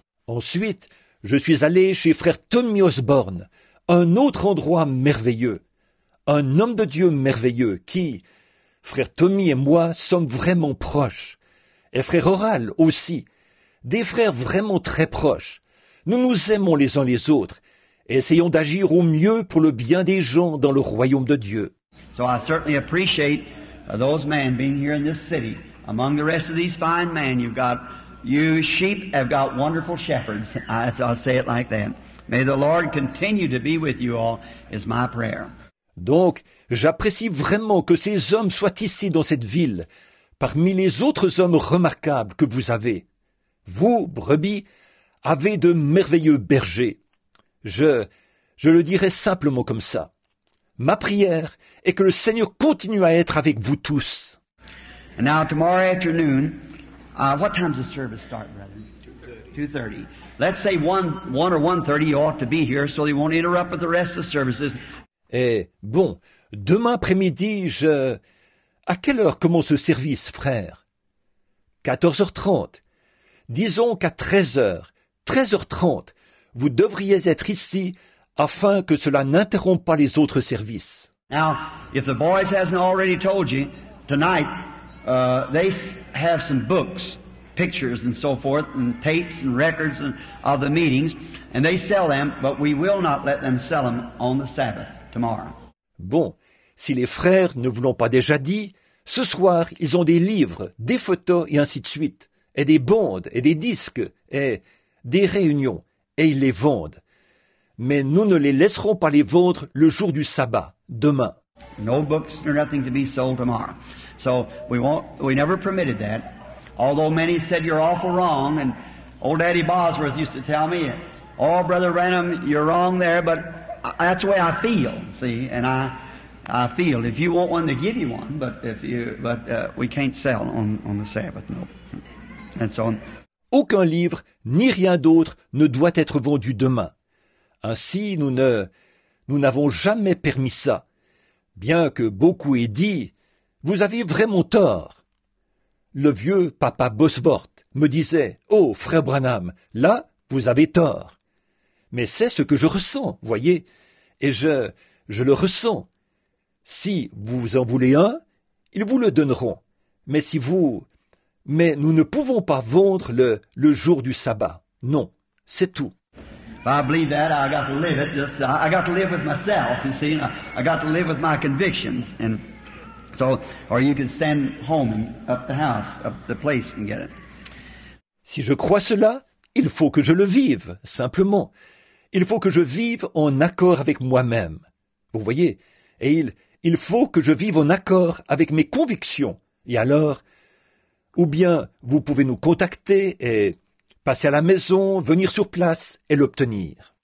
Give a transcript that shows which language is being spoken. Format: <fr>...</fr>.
<fr>Ensuite, je suis allé chez frère Tommy Osborne, un autre endroit merveilleux, un homme de Dieu merveilleux qui, frère Tommy et moi, sommes vraiment proches. Et frère Oral aussi, des frères vraiment très proches. Nous nous aimons les uns les autres et essayons d'agir au mieux pour le bien des gens dans le royaume de Dieu.</fr> <en>So I certainly appreciate those men being here in this city. Among the rest of these fine men, you've got, you sheep have got wonderful shepherds. I'll say it like that. May the Lord continue to be with you all is my prayer.</en> <fr>Donc, j'apprécie vraiment que ces hommes soient ici dans cette ville. Parmi les autres hommes remarquables que vous avez, vous, brebis, avez de merveilleux bergers. Je le dirai simplement comme ça. Ma prière est que le Seigneur continue à être avec vous tous.</fr> <en>And now tomorrow afternoon, what time does the service start, brother? 2:30. Let's say 1 or 1:30, you ought to be here so they won't interrupt with the rest of the services.</en> <fr>Et bon, demain après-midi, je... À quelle heure commence le service, frère? 14h30. Disons qu'à 13h, 13h30, vous devriez être ici afin que cela n'interrompe pas les autres services.</fr> <en>Now, if the boys hasn't already told you, tonight, they have some books, pictures and so forth, and tapes and records and of the meetings, and they sell them, but we will not let them sell them on the Sabbath tomorrow.</en> <fr>Bon, si les frères ne vous l'ont pas déjà dit, ce soir, ils ont des livres, des photos et ainsi de suite, et des bandes, et des disques, et des réunions, et ils les vendent. Mais nous ne les laisserons pas les vendre le jour du sabbat, demain.</fr> <en>No books or nothing to be sold tomorrow. So, we never permitted that. Although many said you're awful wrong, and old Daddy Bosworth used to tell me, oh, Brother Branham, you're wrong there, but that's the way I feel, see, and I feel if you want one to give you one, we can't sell on the Sabbath, no. And so on.</en> <fr>Aucun livre ni rien d'autre ne doit être vendu demain. Ainsi, nous n'avons jamais permis ça. Bien que beaucoup aient dit, vous avez vraiment tort. Le vieux papa Bosworth me disait, oh, frère Branham, là, vous avez tort. Mais c'est ce que je ressens, voyez, et je le ressens. Si vous en voulez un, ils vous le donneront. Mais si vous... Mais nous ne pouvons pas vendre le jour du sabbat. Non, c'est tout.</fr> <en>If I believe that, I got to live it. Just, I got to live with myself, you see. I got to live with my convictions. And so, or you can send home and up the house, up the place and get it.</en> <fr>Si je crois cela, il faut que je le vive, simplement. Il faut que je vive en accord avec moi-même. Vous voyez, et il faut que je vive en accord avec mes convictions. Et alors, ou bien vous pouvez nous contacter et passer à la maison, venir sur place et l'obtenir.</fr>